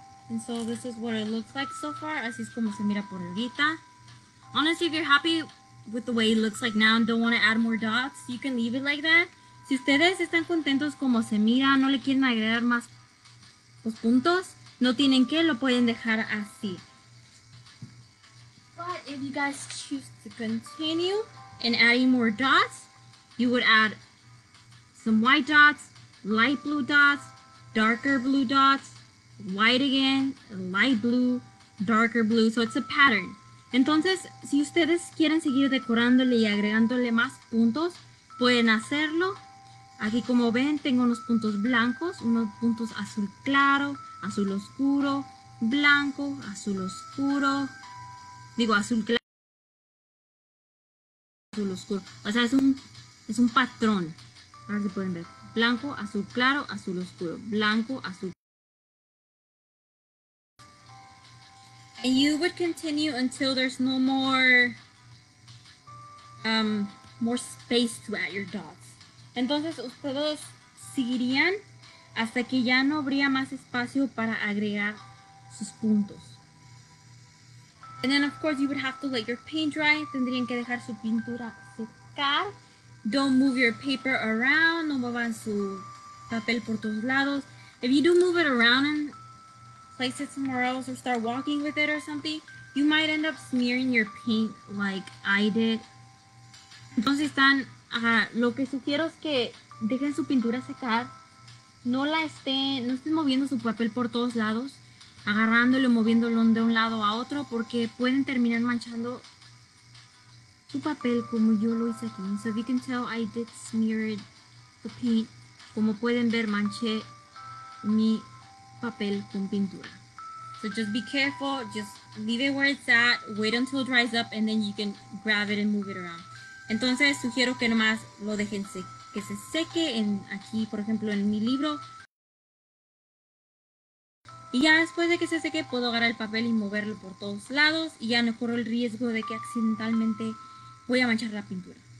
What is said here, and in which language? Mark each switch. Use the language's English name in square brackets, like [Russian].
[English] And so this is what it looks like so far. [Spanish] Así es como se mira por ahorita. [English] Honestly, if you're happy with the way it looks like now and don't want to add more dots, you can leave it like that. [Spanish] Si ustedes están contentos como se mira, no le quieren agregar más los puntos, no tienen que, lo pueden dejar así. [English] But if you guys choose to continue and adding more dots, you would add some white dots, light blue dots, darker blue dots, white again, light blue, darker blue. So it's a pattern. [Spanish] Entonces, si ustedes quieren seguir decorándole y agregándole más puntos, pueden hacerlo. Aquí como ven, tengo unos puntos blancos, unos puntos azul claro, azul oscuro, blanco, azul oscuro. Digo, azul claro, azul oscuro. O sea, es un patrón. A ver si pueden ver. Blanco, azul claro, azul oscuro. Blanco, azul. [English] And you would continue until there's no more more space to add your dots. [Spanish] Entonces, ustedes seguirían hasta que ya no habría más espacio para agregar sus puntos. [English] And then, of course, you would have to let your paint dry. [Spanish] Tendrían que dejar su pintura secar. [English] Don't move your paper around. [Spanish] No muevan su papel por todos lados. [English] If you do move it around and place it somewhere else or start walking with it or something, you might end up smearing your paint like I did. [Spanish] Entonces están, lo que sugiero es que dejen su pintura secar. No estén moviendo su papel por todos lados, agarrándolo, moviéndolo de un lado a otro, porque pueden terminar manchando tu papel como yo lo hice aquí. So if you can tell, I did smear the paint. Como pueden ver, manché mi papel con pintura. [English] So just be careful. Just leave it where it's at. Wait until it dries up, and then you can grab it and move it around. [Spanish] Entonces, sugiero que nomás lo dejen que se seque en aquí, por ejemplo, en mi libro. Y ya después de que se seque, puedo agarrar el papel y moverlo por todos lados. Y ya no corro el riesgo de que accidentalmente voy a manchar la pintura.